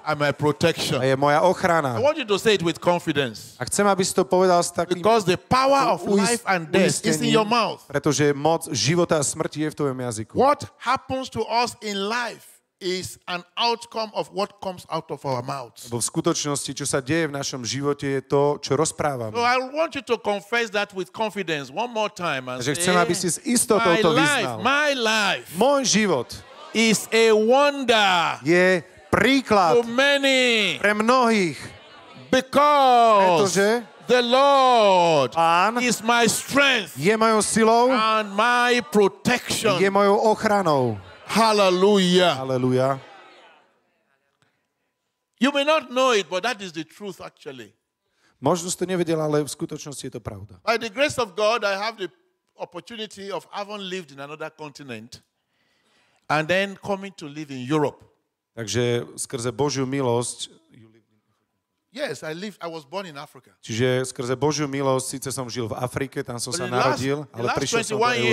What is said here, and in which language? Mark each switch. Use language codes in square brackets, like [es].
[en] and my protection, [sk] a je moja ochrana. [en] I want you to say it with confidence, [sk] a chcem, aby si to povedal s takým, [en] because the power of life and death is in your mouth, [sk] pretože moc života a smrti je v tvojom jazyku. [en] What happens to us in life is an outcome of what comes out of our mouths. [sk] Lebo v skutočnosti, čo sa deje v našom živote, je to, čo rozprávame. [en] So I want you to confess that with confidence one more time and say, [sk] chcem, aby si s istotou to vyznal. [en] My life, [sk] môj život [en] is a wonder, [sk] je príklad [en] to many, [sk] pre mnohých, [en] because [sk] pretože [en] the Lord [sk] Pán [en] is my strength, [sk] je mojou silou [en] and my protection, [sk] je mojou ochranou. Hallelujah. Hallelujah. [en] You may not know it, but that is the truth actually. [sk] Možno ste nevedeli, ale v skutočnosti je to pravda. [en] By the grace of God, I have the opportunity of having lived in another continent and then coming to live in Europe. [sk] Takže skrze Božiu milosť [en] Yes, I was born in Africa. [sk] Čiže skrze Božiu milosť síce som žil v Afrike, tam som sa narodil, ale prišiel som do Európy.